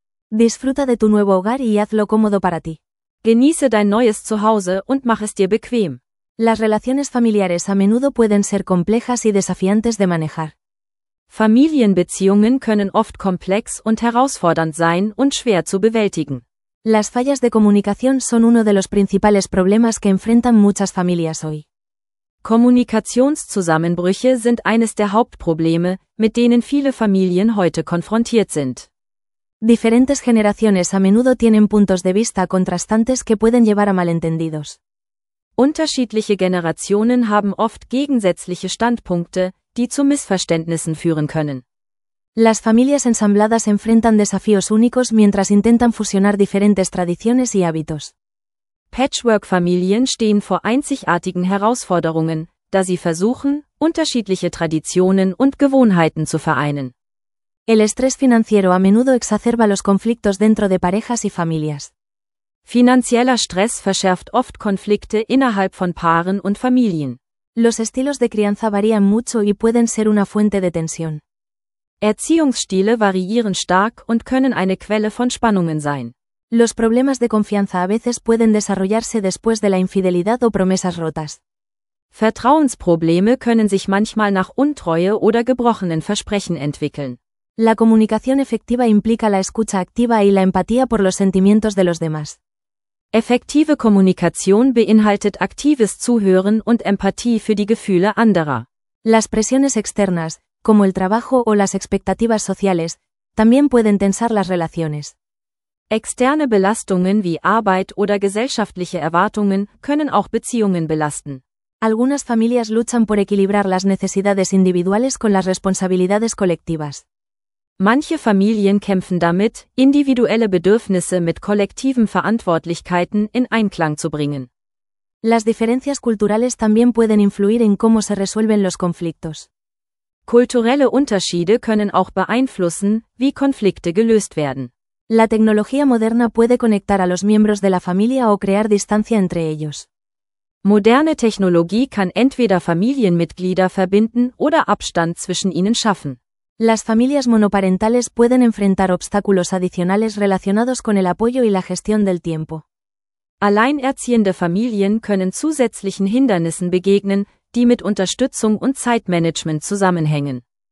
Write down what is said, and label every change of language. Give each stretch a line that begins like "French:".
Spanish: Disfruta de tu nuevo hogar y hazlo cómodo para ti.
German: Genieße dein neues Zuhause und mach es dir bequem.
Spanish: Las relaciones familiares a menudo pueden ser complejas y desafiantes de manejar.
German: Familienbeziehungen können oft komplex und herausfordernd sein und schwer zu bewältigen.
Spanish: Las fallas de comunicación son uno de los principales problemas que enfrentan muchas familias hoy.
German: Kommunikationszusammenbrüche sind eines der Hauptprobleme, mit denen viele Familien heute konfrontiert sind.
Spanish: Diferentes generaciones a menudo tienen puntos de vista contrastantes que pueden llevar a malentendidos.
German: Unterschiedliche Generationen haben oft gegensätzliche Standpunkte, die zu Missverständnissen führen können.
Spanish: Las familias ensambladas enfrentan desafíos únicos mientras intentan fusionar diferentes tradiciones y hábitos.
German: Patchwork-Familien stehen vor einzigartigen Herausforderungen, da sie versuchen, unterschiedliche Traditionen und Gewohnheiten zu vereinen.
Spanish: El estrés financiero a menudo exacerba los conflictos dentro de parejas y familias.
German: Finanzieller Stress verschärft oft Konflikte innerhalb von Paaren und Familien.
Spanish: Los estilos de crianza varían mucho y pueden ser una fuente de tensión.
German: Erziehungsstile variieren stark und können eine Quelle von Spannungen sein.
Spanish: Los problemas de confianza a veces pueden desarrollarse después de la infidelidad o promesas rotas.
German: Vertrauensprobleme können sich manchmal nach Untreue oder gebrochenen Versprechen entwickeln.
Spanish: La comunicación efectiva implica la escucha activa y la empatía por los sentimientos de los demás.
German: Effektive Kommunikation beinhaltet aktives Zuhören und Empathie für die Gefühle anderer.
Spanish: Las presiones externas, como el trabajo o las expectativas sociales, también pueden tensar las relaciones.
German: Externe Belastungen wie Arbeit oder gesellschaftliche Erwartungen können auch Beziehungen belasten.
Spanish: Algunas familias luchan por equilibrar las necesidades individuales con las responsabilidades colectivas.
German: Manche Familien kämpfen damit, individuelle Bedürfnisse mit kollektiven Verantwortlichkeiten in Einklang zu bringen.
Spanish: Las diferencias culturales también pueden influir en cómo se resuelven los conflictos.
German: Kulturelle Unterschiede können auch beeinflussen, wie Konflikte gelöst werden.
Spanish: La tecnología moderna puede conectar a los miembros de la familia o crear distancia entre ellos.
German: Moderne Technologie kann entweder Familienmitglieder verbinden oder Abstand zwischen ihnen schaffen.
Spanish: Las familias monoparentales pueden enfrentar obstáculos adicionales relacionados con el apoyo y la gestión del tiempo.
German: Alleinerziehende Familien können zusätzlichen Hindernissen begegnen, die mit Unterstützung und Zeitmanagement zusammenhängen.